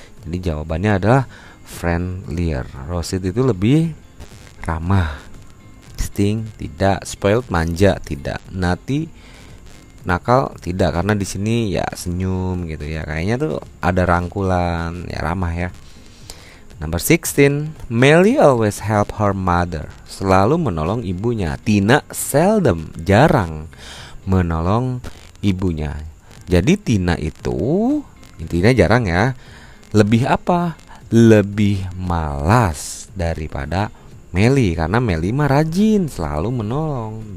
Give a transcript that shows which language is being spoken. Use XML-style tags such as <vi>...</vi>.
<id>Jadi jawabannya adalah friendlier. Rosit itu lebih ramah. Sting tidak, spoiled manja tidak, nati nakal tidak, karena di sini ya senyum gitu ya. Kayaknya tuh ada rangkulan, ya ramah ya.</id> <en>Number 16, Melly always help her mother.</en> <id>Selalu menolong ibunya. Tina seldom, jarang menolong ibunya. Jadi Tina itu intinya jarang ya. Lebih apa? Lebih malas daripada Melly, karena Melly mah rajin, selalu menolong.</id>